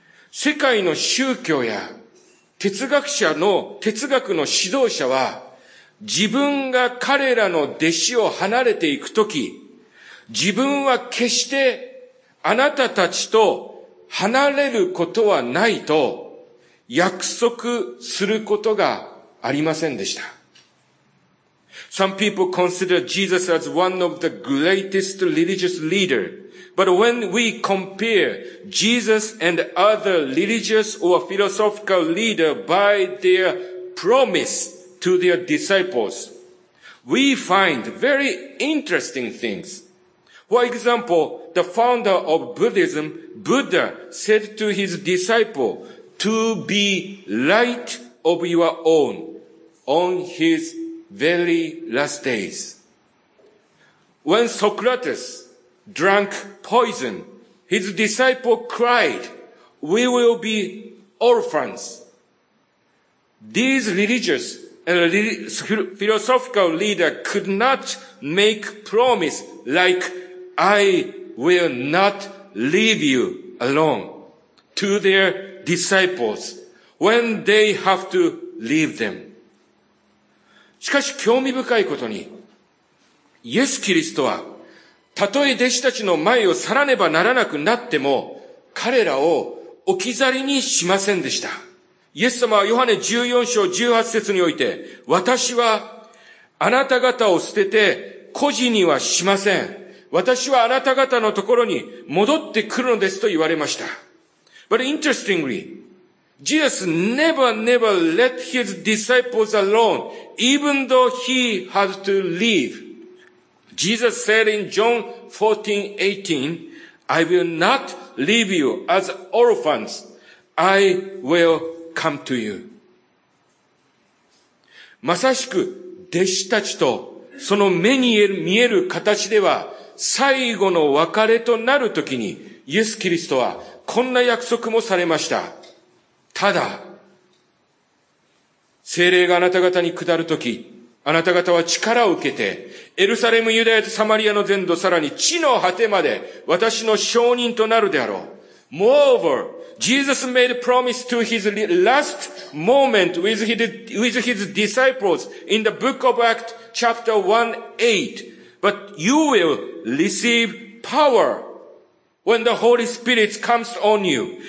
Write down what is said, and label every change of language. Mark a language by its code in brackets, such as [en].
[ja] 世界の宗教や哲学の指導者は、自分が彼らの弟子を離れていくとき、自分は決してあなたたちと離れることはないと約束することがありませんでした。 [en] Some people consider Jesus as one of the greatest religious leader, but when we compare Jesus and other religious or philosophical leader by their promise to their disciples, we find very interesting things. For example, the founder of Buddhism, Buddha, said to his disciple to be light of your own on his very last days. When Socrates drank poison, his disciple cried, "We will be orphans." These religious and philosophical leader could not make promise likeI will not leave you alone to their disciples when they have to leave them. [ja] しかし興味深いことに、イエス・キリストは、たとえ弟子たちの前を去らねばならなくなっても、彼らを置き去りにしませんでした。イエス様はヨハネ14章18節において、私はあなた方を捨てて孤児にはしません。私はあなた方のところに戻ってくるのですと言われました。 [en] But interestingly, Jesus never let his disciples alone, even though he had to leave. Jesus said in John 14:18, I will not leave you as orphans. I will come to you. [ja] まさしく弟子たちとその目に見える形では最後の別れとなるときにイエス・キリストはこんな約束もされました。ただ、聖霊があなた方に下るとき、あなた方は力を受けて、エルサレム、ユダヤとサマリアの全土、さらに地の果てまで私の証人となるであろう。 [en] Moreover, Jesus made a promise to his last moment with his disciples in the book of Acts chapter 1:8. But you will receive power when the Holy Spirit comes on you.